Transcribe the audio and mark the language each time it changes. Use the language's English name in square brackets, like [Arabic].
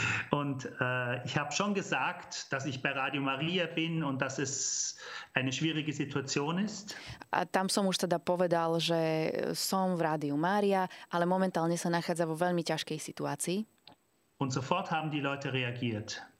[German] Und ich habe schon gesagt, dass ich bei Radio Maria bin und dass es eine schwierige Situation ist. [Slovak] A tam som už teda povedal, že som v Rádiu Mária, ale momentálne sa nachádza vo veľmi ťažkej situácii. [German] Und sofort haben die Leute reagiert.